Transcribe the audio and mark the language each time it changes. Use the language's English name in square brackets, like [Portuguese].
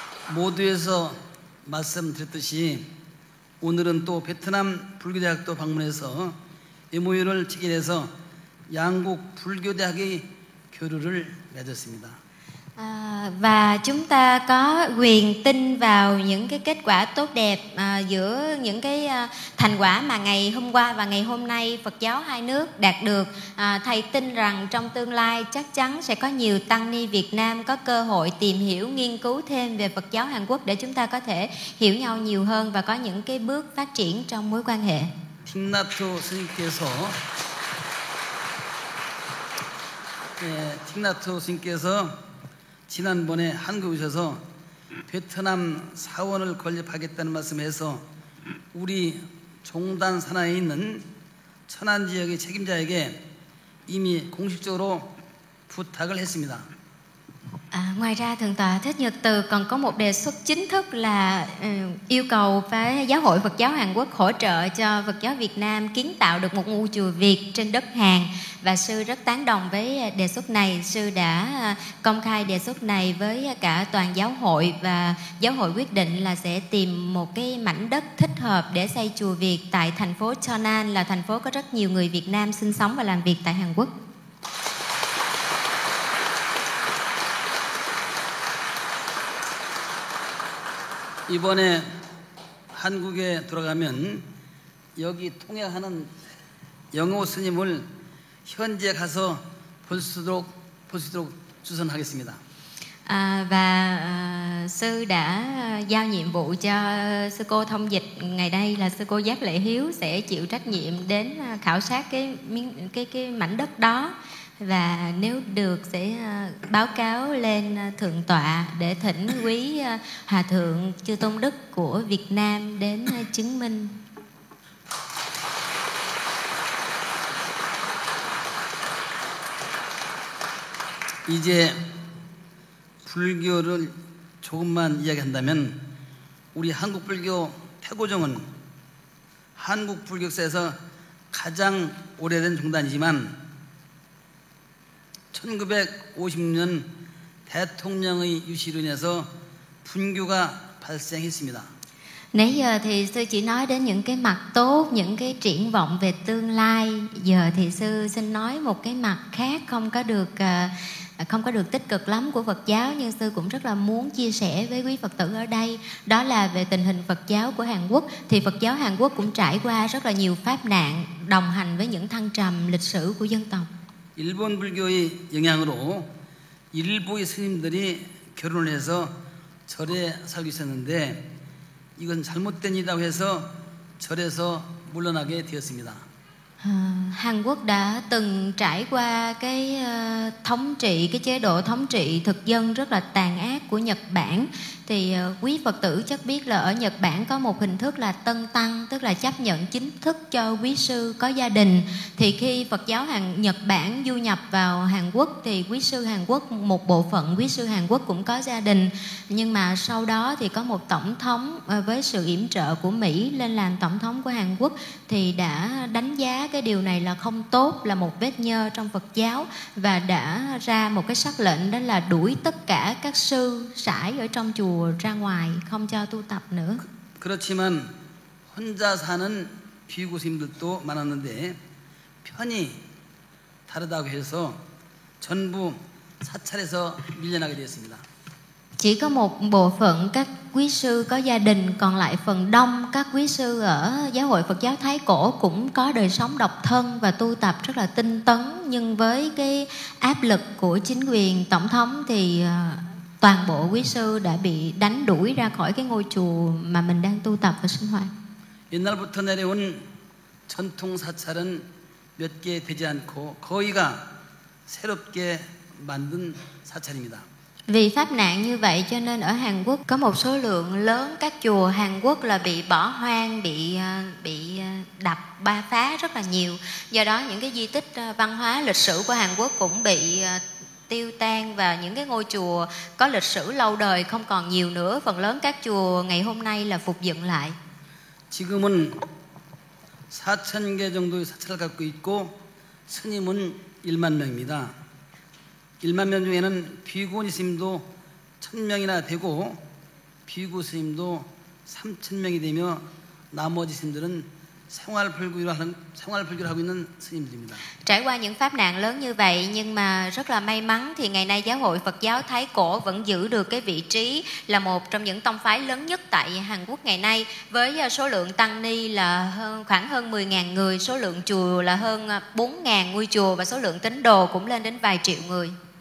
[Korean] 모두에서 말씀드렸듯이 오늘은 또 베트남 불교대학도 방문해서 MOU를 체결해서 양국 불교대학의 교류를 맺었습니다. [Vietnamese] Và chúng ta có quyền tin vào những cái kết quả tốt đẹp giữa những cái thành quả mà ngày hôm qua và ngày hôm nay Phật giáo hai nước đạt được. Thầy tin rằng trong tương lai chắc chắn sẽ có nhiều tăng ni Việt Nam có cơ hội tìm hiểu, nghiên cứu thêm về Phật giáo Hàn Quốc để chúng ta có thể hiểu nhau nhiều hơn và có những cái bước phát triển trong mối quan hệ. [Korean] Thích Nhật Từ 선생님께서 네, 틱나트 선생님께서 지난번에 한국에 오셔서 베트남 사원을 건립하겠다는 말씀에서 우리 종단 산하에 있는 천안 지역의 책임자에게 이미 공식적으로 부탁을 했습니다. [Vietnamese] Ngoài ra thượng tọa Thích Nhật Từ còn có một đề xuất chính thức là yêu cầu phải giáo hội Phật giáo Hàn Quốc hỗ trợ cho Phật giáo Việt Nam kiến tạo được một ngôi chùa Việt trên đất Hàn, và sư rất tán đồng với đề xuất này. Sư đã công khai đề xuất này với cả toàn giáo hội, và giáo hội quyết định là sẽ tìm một cái mảnh đất thích hợp để xây chùa Việt tại thành phố Chonan, là thành phố có rất nhiều người Việt Nam sinh sống và làm việc tại Hàn Quốc. [Korean] 이번에 한국에 돌아가면 여기 통역하는 영호 스님을 현지에 가서 볼 수 있도록 추천하겠습니다. [Vietnamese] Và sư đã giao nhiệm vụ cho sư cô thông dịch ngày đây là sư cô Giác Lệ Hiếu sẽ chịu trách nhiệm đến khảo sát cái mảnh đất đó, và nếu được sẽ báo cáo lên thượng tọa để thỉnh quý hòa thượng Chư Tôn Đức của Việt Nam đến chứng minh. [Korean] 이제 불교를 조금만 이야기한다면 우리 한국 불교 태고종은 한국 불교사에서 가장 오래된 종단이지만 1950년 대통령의 유시로 인해서 분교가 발생했습니다. [Vietnamese] Nãy giờ thì sư chỉ nói đến những cái mặt tốt, những cái triển vọng về tương lai. Giờ thì sư xin nói một cái mặt khác không có được tích cực lắm của Phật giáo, nhưng sư cũng rất là muốn chia sẻ với quý Phật tử ở đây, đó là về tình hình Phật giáo của Hàn Quốc. Thì Phật giáo Hàn Quốc cũng trải qua rất là nhiều pháp nạn, đồng hành với những thăng trầm lịch sử của dân tộc. [Korean] 일본 불교의 영향으로 일부의 스님들이 결혼을 해서 절에 살고 있었는데 이건 잘못된 일이라고 해서 절에서 물러나게 되었습니다. [Vietnamese] Hàn Quốc đã từng trải qua cái thống trị, cái chế độ thống trị thực dân rất là tàn ác của Nhật Bản. Thì quý Phật tử chắc biết là ở Nhật Bản có một hình thức là tân tăng, tức là chấp nhận chính thức cho quý sư có gia đình. Thì khi Phật giáo Nhật Bản du nhập vào Hàn Quốc thì quý sư Hàn Quốc, một bộ phận quý sư Hàn Quốc cũng có gia đình. Nhưng mà sau đó thì có một tổng thống với sự yểm trợ của Mỹ lên làm tổng thống của Hàn Quốc, thì đã đánh giá cái điều này là không tốt, là một vết nhơ trong Phật giáo, và đã ra một cái sắc lệnh, đó là đuổi tất cả các sư sải ở trong chùa ra ngoài, không cho tu tập nữa. [Korean] 그렇지만 혼자 사는 비구 스님들도 많았는데 편이 다르다고 해서 전부 사찰에서 밀려나게 되었습니다. [Vietnamese] Chỉ có một bộ phận các quý sư có gia đình, còn lại phần đông các quý sư ở giáo hội Phật giáo Thái Cổ cũng có đời sống độc thân và tu tập rất là tinh tấn, nhưng với cái áp lực của chính quyền tổng thống thì toàn bộ quý sư đã bị đánh đuổi ra khỏi cái ngôi chùa mà mình đang tu tập và sinh hoạt. [Korean] 옛날부터 내려온 전통 사찰은 몇 개 되지 않고 거의가 새롭게 만든 사찰입니다. [Vietnamese] Vì pháp nạn như vậy cho nên ở Hàn Quốc có một số lượng lớn các chùa Hàn Quốc là bị bỏ hoang, bị đập ba phá rất là nhiều. Do đó những cái di tích văn hóa lịch sử của Hàn Quốc cũng bị tiêu tan, và những cái ngôi chùa có lịch sử lâu đời không còn nhiều nữa. Phần lớn các chùa ngày hôm nay là phục dựng lại. [Korean] 지금은 4천 개 정도의 사찰을 갖고 있고 스님은 1만 명입니다. 1만 명 중에는 비구니 스님도 1,000명이나 되고 비구 스님도 3,000명이 되며 나머지 스님들은 생활불교를 하고 있는 스님들입니다. [Vietnamese] Trải qua những pháp nạn lớn như vậy, nhưng mà rất là may mắn thì ngày nay giáo hội Phật giáo Thái Cổ vẫn giữ được cái vị trí là một trong những tông phái lớn nhất tại Hàn Quốc ngày nay, với số lượng tăng ni là khoảng hơn 10.000 người, số lượng chùa là hơn 4.000 ngôi chùa, và số lượng tín đồ cũng lên đến vài triệu người.